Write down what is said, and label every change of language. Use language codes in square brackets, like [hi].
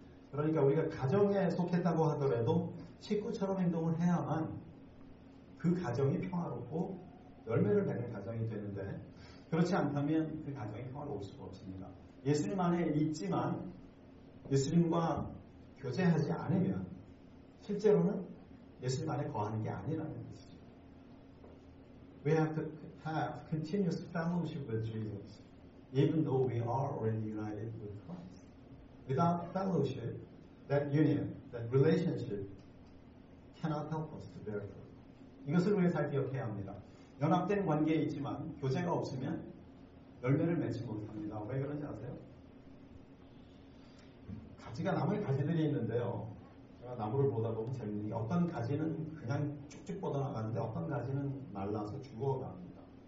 [ko] 그러니까 우리가 가정에 속했다고 하더라도 식구처럼 행동을 해야만 그 가정이 평화롭고 열매를 맺는 가정이 되는데 그렇지 않다면 그 가정이 평화로울 수가 없습니다. 예수님 안에 있지만 예수님과 교제하지 않으면 실제로는 예수님 안에 거하는 게 아니라는 것이죠. [en] We have to have continuous fellowship with Jesus even though we are already united with Christ. Without fellowship, that union, that relationship cannot help us to bear fruit. [ko] 이것을 우리가 잘 기억해야 합니다. 연합된 관계에 있지만 교제가 없으면 열매를 맺지 못합니다. 왜 그런지 아세요? 가지가 나무에 가지들이 있는데요. 제가 나무를 보다 보면 재밌는 게 어떤 가지는 그냥 쭉쭉 뻗어나가는데 어떤 가지는 말라서 죽어갑니다.